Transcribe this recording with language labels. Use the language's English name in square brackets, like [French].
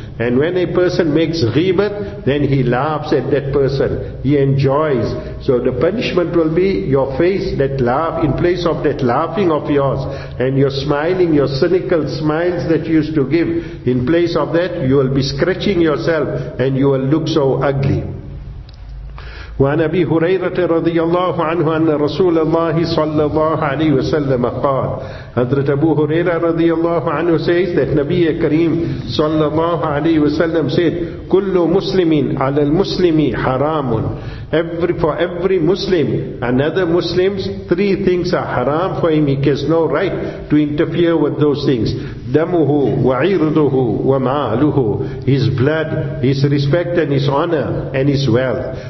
[English] And when a person makes ghibat, then he laughs at that person. He enjoys. So the punishment will be your face that laugh, in place of that laughing of yours, and your smiling, your cynical smiles that you used to give, in place of that, you will be scratching yourself and you will look so ugly. [Arabic] وعن أبي هريرة رضي الله عنه أن رسول الله صلى الله عليه وسلم قال حضرت أبو هريرة رضي الله عنه [English] says that [Arabic] نبي كريم صلى الله عليه وسلم [English] said [Arabic] كل مسلم على المسلم حرام. [English] For every Muslim, another Muslim, three things are haram for him. He has no right to interfere with those things. [Arabic] دمه وعرضه وماله, [English] his blood, his respect and his honor and his wealth.